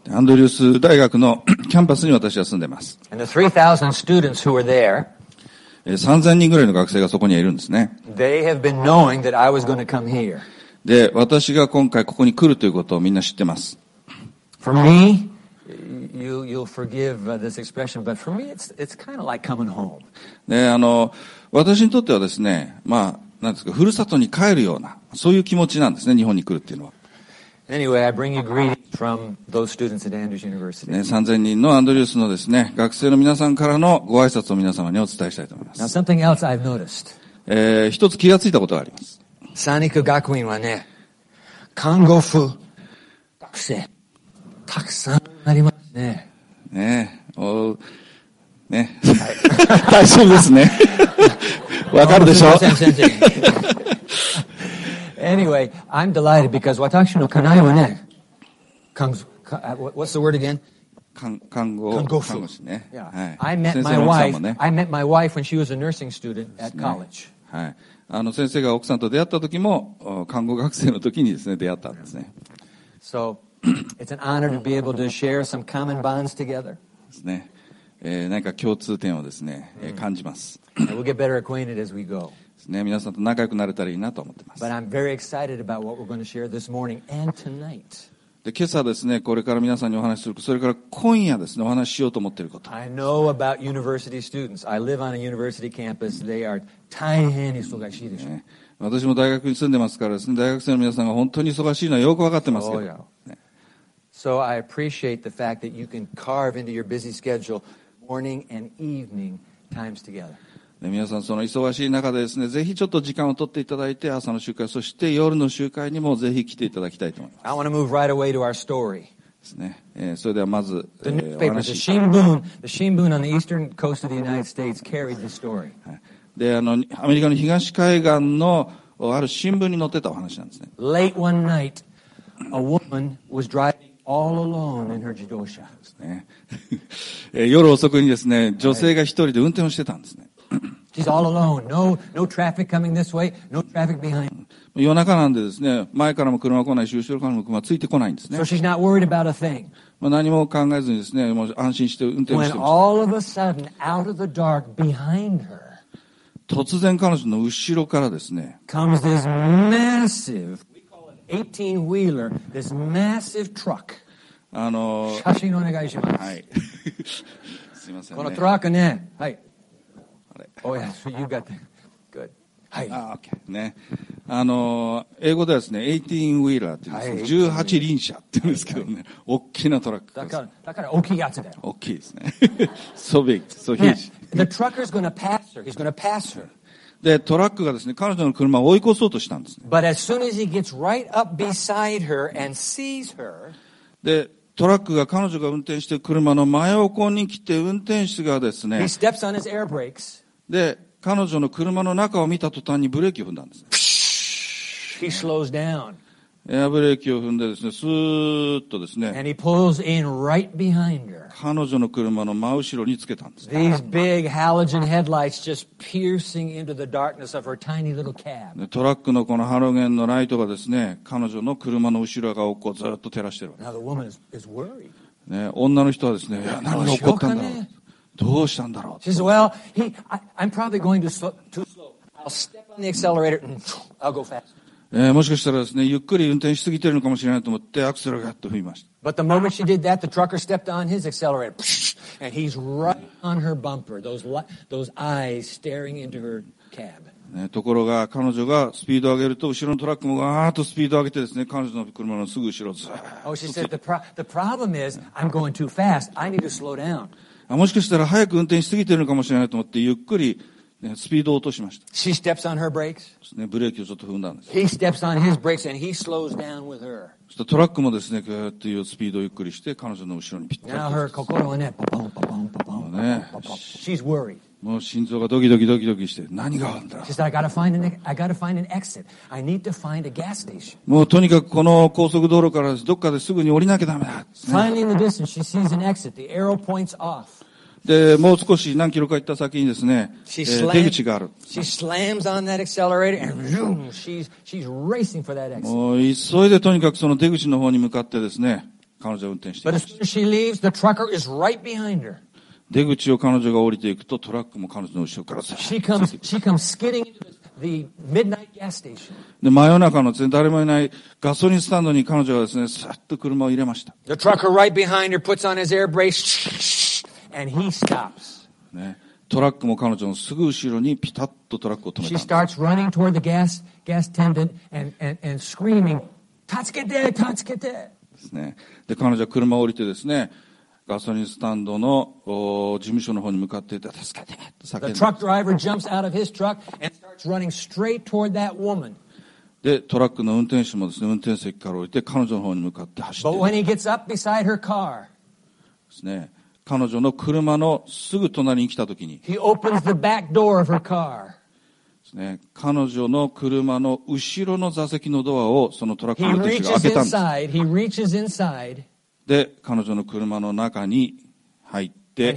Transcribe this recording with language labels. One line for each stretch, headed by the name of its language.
Japanese: アンドリュース大学のキャンパスに私は住んでます。
English: And the 3,000 students who are there,
Japanese: 3,000 人ぐらいの学生がそこにいるんですね。
English: They have been knowing that I was going to come here.
Japanese: で、私が今回ここに来るということをみんな知ってます。
English: For me, you'll forgive this expression, but for me, it's kind of like coming home.
Japanese: で、私にとってはですね、まあ、なんですか、ふるさとに帰るような、そういう気持ちなんですね、日本に来るっていうのは。
English: Anyway, I bring you greetings from those students at Andrews University.
Japanese: ね、3000人のアンドリュースのですね、学生の皆さんからのご挨拶を皆様にお伝えしたいと思います。
English: Now, something else I've noticed.
Japanese: 一つ気がついたことがあります。三陸学院はね、看護婦学生たくさんありますね。ねえ、おね、はい、大丈夫ですね。わかるでしょ。
English: anyway, I'm delighted because
Japanese: 私の家内はね、
English: what's the word again?
Japanese: 看護婦
English: ね。Yeah. はい。I met my wife when she was a nursing student at college.、
Japanese: ね、はい。先生が奥さんと出会った時も、看護学生の時にですね、出会ったんですね。
English: So, it's an honor to be able to share some common bonds together.
Japanese: ですね。何か共通点をですね、感じます。
English: We'll get better acquainted as we go.
Japanese: ですね、皆さんと仲良くなれたらいいなと思ってます。
English: But I'm very excited about what we're going to share this morning and tonight.
Japanese: で、今朝ですね、これから皆さんにお話しする、それから今夜ですね、お話ししようと思っていること。
English: I know about university students. I live on a university campus. They are...
Japanese: 大変忙しいでしょ、ね、私も大学に住んでますからですね、大学生の皆さんが本当に忙しいのはよく分かってますけど、ね、
English: So I appreciate the fact that you can carve into your busy schedule morning and evening times together、
Japanese: ね、皆さんその忙しい中でですね、ぜひちょっと時間を取っていただいて、朝の集会、そして夜の集会にもぜひ来ていただきたいと思います。
English: I want to move right away to our story
Japanese: ですね、それではまず、
English: The newspaper, the Shimbun on the eastern coast of the United States carried the story、はい、
Japanese: で、アメリカの東海岸のある新聞に載ってたお話なんですね。
English: Late one night, a woman was driving all alone in her 自動車。
Japanese: ですね。夜遅くにですね、女性が一人で運転をしてたんですね。
English: She's all alone. No traffic coming this way. No traffic behind.
Japanese: 夜中なんでですね、前からも車来ないし、後ろからも車ついてこないんですね。
English: So she's not worried about a thing.
Japanese: 何も考えずにですね、もう安心して運転をしてました。
English: When all of a sudden, out of the dark, behind her,
Japanese: 突然彼女の後ろからですね、
English: comes this massive, we call it 18-wheeler, this massive truck.
Japanese: 写真お願いします。はい。すいません、ね。このトラックね、はい。
English: Oh yes, you got the good. はい。 Ah, okay.
Japanese: ね、英語ではですね、18-wheeler って言うんですけど、18輪車って言うんですけどね、はい、大きなトラックです。だから大きいやつだよ。大きいですね。
English: so big, so huge.、
Japanese: ね
English: The trucker's gonna pass her. He's gonna pass her.
Japanese: で、トラックがですね、彼女の車を追い越そうとしたんです、ね。
English: But as soon as he gets right up beside her and sees her,
Japanese: で、トラックが彼女が運転してる車の真横に来て、運転手がですね、
English: he steps on his air brakes.
Japanese: で、彼女の車の中を見た途端にブレーキを踏んだんです、ね。
English: He slows down.
Japanese: エアブレーキを踏んでですね、スーッとですね。
English: And he pulls in right behind her.
Japanese: 彼女の車の真後ろにつけたんです。
English: These big halogen headlights just piercing into the darkness of her tiny little cab.
Japanese: トラックのこのハロゲンのライトがですね、彼女の車の後ろ側をこうずっと照らしてるわけです。
English: Now the woman is worried.
Japanese: ね、女の人はですね、いや何が起こったんだろう。どうしたんだろう。
English: She says, well, I'm probably going too slow. I'll step on the accelerator and I'll go fast.
Japanese: もしかしたらですね、ゆっくり運転しすぎてるのかもしれないと思ってアクセルがガッと踏みました。
English: But the moment she did that, the trucker stepped on his accelerator, and he's right on her bumper. Those eyes staring into her cab.
Japanese: ね、ところが彼女がスピードを上げると後ろのトラックもガーッとスピードを上げてですね、彼女の車のすぐ後ろず
English: ー。Oh, she said the problem is I'm going too fast. I need to slow down.
Japanese: もしかしたら早く運転しすぎてるのかもしれないと思ってゆっくり。ね、スピードを落としました。
English: She steps on her brakes.
Japanese: ですね、ブレーキをちょっと踏んだんです。
English: He steps on his brakes and he slows down with her.
Japanese: そしてトラックもですね、ぐーっていうスピードをゆっくりして彼女の後ろにピッタリ。
English: Now her
Japanese: 心はね、パポンパポンパポン。ね、
English: She's worried.
Japanese: もう心臓がドキドキして、何があるんだ。
English: She says, I gotta find an exit. I need to find a gas station.
Japanese: もうとにかくこの高速道路からどっかですぐに降りなきゃダメだ。
English: Finding the distance, she sees an exit. The arrow points off.
Japanese: でもう少し何キロか行った先にですね、出口がある。
English: She slams on that accelerator and zoom. She's racing for that exit.
Japanese: もう急いでとにかくその出口の方に向かってですね、彼女は運転しています
English: 。 But as soon as she leaves, the trucker is right behind her.
Japanese: 出口を彼女が降りていくとトラックも彼女の後ろからず
English: っと She comes skidding into the midnight gas station.
Japanese: で真夜中の誰もいないガソリンスタンドに彼女はですね、さっと車を入れました。
English: The trucker right behind her puts on his air brakes. And he stops.
Japanese: ね、トラックも彼女のすぐ後ろにピタッとトラックを止めた。
English: She starts running toward the gas attendant and screaming,
Japanese: "Tatsukete, Tatsukete!" ですね。で彼女は車を降りてですね、ガソリンスタンドの事務所の方に向かっていた。助けて、叫んで。
English: The truck driver jumps out of his truck and starts running straight toward that woman.
Japanese: でトラックの運転手もですね、運転席から降りて彼女の方に向かって走って。
English: But when he gets up beside her car,
Japanese: ですね。彼女の車のすぐ隣に来たときに、
English: He opens the back door of her car.
Japanese: ですね、彼女の車の後ろの座席のドアをそのトラックの手が開けたんです。
English: He reaches inside.
Japanese: で、彼女の車の中に入って、